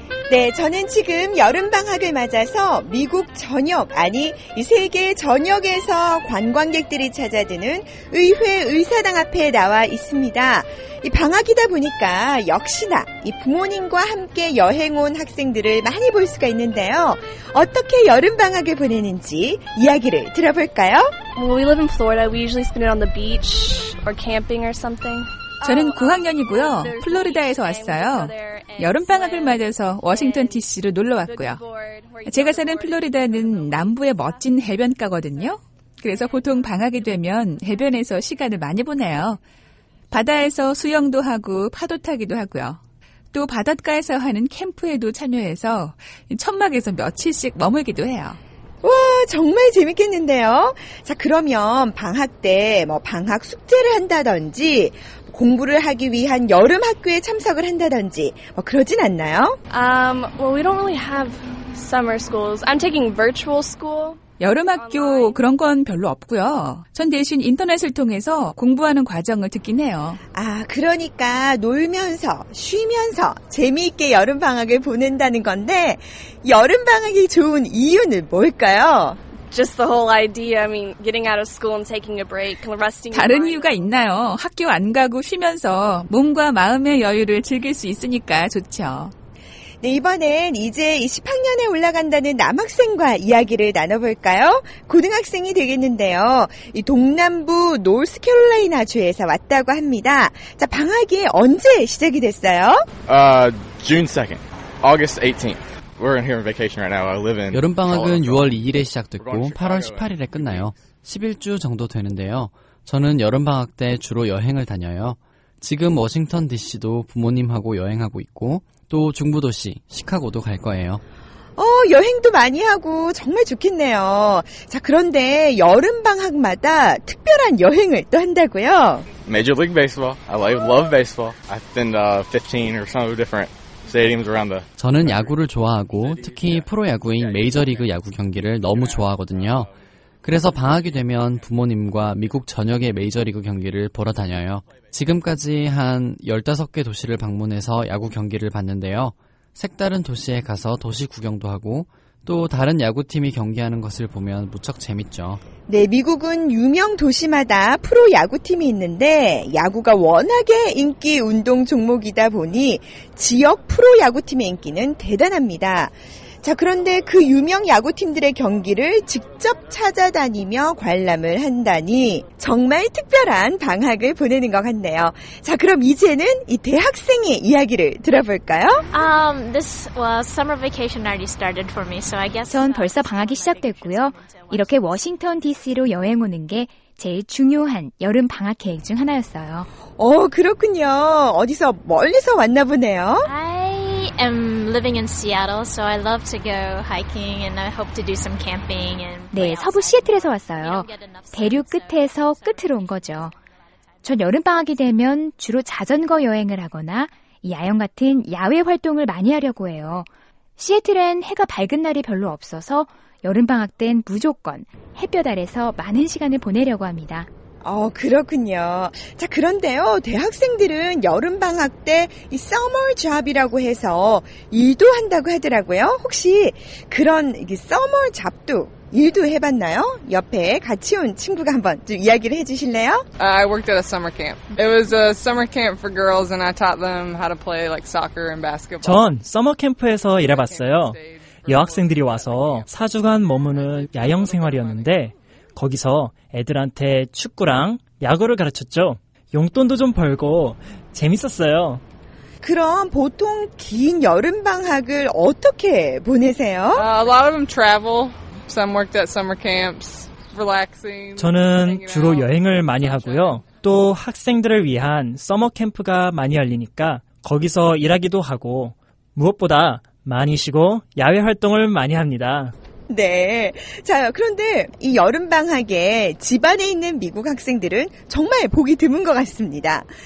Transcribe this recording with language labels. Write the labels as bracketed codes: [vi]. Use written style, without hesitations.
[ko] 네, 저는 지금 여름방학을 맞아서 미국 전역, 아니 세계 전역에서 관광객들이 찾아드는 의회 의사당 앞에 나와 있습니다. 이 방학이다 보니까 역시나 이 부모님과 함께 여행 온 학생들을 많이 볼 수가 있는데요. 어떻게 여름방학을 보내는지 이야기를 들어볼까요? [en] When we live in Florida, we usually spend it on the beach or camping or something. [ko] 저는 9학년이고요. 플로리다에서 왔어요. 여름방학을 맞아서 워싱턴 DC로 놀러왔고요. 제가 사는 플로리다는 남부의 멋진 해변가거든요. 그래서 보통 방학이 되면 해변에서 시간을 많이 보내요. 바다에서 수영도 하고 파도 타기도 하고요. 또 바닷가에서 하는 캠프에도 참여해서 천막에서 며칠씩 머물기도 해요. 와, 정말 재밌겠는데요. 자, 그러면 방학 때 뭐 방학 숙제를 한다든지 공부를 하기 위한 여름 학교에 참석을 한다든지 뭐 그러진 않나요? [en] Well, we don't really have summer schools. I'm taking virtual school. [ko] 여름 학교 그런 건 별로 없고요. 전 대신 인터넷을 통해서 공부하는 과정을 듣긴 해요. 아, 그러니까 놀면서 쉬면서 재미있게 여름 방학을 보낸다는 건데 여름 방학이 좋은 이유는 뭘까요? [en] Just the whole idea. I mean, getting out of school and taking a break, resting. [ko] 다른 이유가 있나요? 학교 안 가고 쉬면서 몸과 마음의 여유를 즐길 수 있으니까 좋죠. 네, 이번엔 이제 10학년에 올라간다는 남학생과 이야기를 나눠볼까요? 고등학생이 되겠는데요. 이 동남부 노스캐롤라이나 주에서 왔다고 합니다. 자, 방학이 언제 시작이 됐어요? [en] June 2nd, August 18th. We're in here on vacation right now. I live in. [ko] 여름 방학은 6월 2일에 시작됐고 8월 18일에 끝나요. 11주 정도 되는데요. 저는 여름 방학 때 주로 여행을 다녀요. 지금 워싱턴 DC도 부모님하고 여행하고 있고 또 중부 도시 시카고도 갈 거예요. 여행도 많이 하고 정말 좋겠네요. 자, 그런데 여름 방학마다 특별한 여행을 또 한다고요? [en] Major League Baseball. I love baseball. I've been 15 or so different. [ko] 저는 야구를 좋아하고 특히 프로야구인 메이저리그 야구 경기를 너무 좋아하거든요. 그래서 방학이 되면 부모님과 미국 전역의 메이저리그 경기를 보러 다녀요. 지금까지 한 15개 도시를 방문해서 야구 경기를 봤는데요. 색다른 도시에 가서 도시 구경도 하고 또 다른 야구팀이 경기하는 것을 보면 무척 재밌죠. 네, 미국은 유명 도시마다 프로 야구팀이 있는데 야구가 워낙에 인기 운동 종목이다 보니 지역 프로 야구팀의 인기는 대단합니다. 자, 그런데 그 유명 야구팀들의 경기를 직접 찾아다니며 관람을 한다니 정말 특별한 방학을 보내는 것 같네요. 자, 그럼 이제는 이 대학생의 이야기를 들어볼까요? [en] This was summer vacation already started for me, so I guess. [ko] 전 벌써 방학이 시작됐고요. 이렇게 워싱턴 DC로 여행 오는 게 제일 중요한 여름 방학 계획 중 하나였어요. 그렇군요. 어디서 멀리서 왔나 보네요. [en] I'm living in Seattle, so I love to go hiking and I hope to do some camping and [ko] 네, 서부 시애틀에서 왔어요. 대륙 끝에서 끝으로 온 거죠. 전 여름 방학이 되면 주로 자전거 여행을 하거나 이 야영 같은 야외 활동을 많이 하려고 해요. 시애틀엔 해가 밝은 날이 별로 없어서 여름 방학 땐 무조건 햇볕 아래서 많은 시간을 보내려고 합니다. 그렇군요. 자, 그런데요, 대학생들은 여름 방학 때 이 summer job이라고 해서 일도 한다고 하더라고요. 혹시 그런 이 summer job도 일도 해봤나요? 옆에 같이 온 친구가 한번 좀 이야기를 해주실래요? [en] I worked at a summer camp. It was a summer camp for girls, and I taught them how to play like soccer and basketball. [ko] 전 summer camp에서 일해봤어요. 여학생들이 와서 4주간 머무는 야영 생활이었는데. 거기서 애들한테 축구랑 야구를 가르쳤죠. 용돈도 좀 벌고 재밌었어요. 그럼 보통 긴 여름 방학을 어떻게 보내세요? [en] A lot of them travel. Some worked at summer camps, relaxing. [ko] 저는 주로 여행을 많이 하고요. 또 학생들을 위한 서머 캠프가 많이 열리니까 거기서 일하기도 하고 무엇보다 많이 쉬고 야외 활동을 많이 합니다. 네. 자, 그런데 이 여름 방학에 집 안에 있는 미국 학생들은 정말 보기 드문 것 같습니다.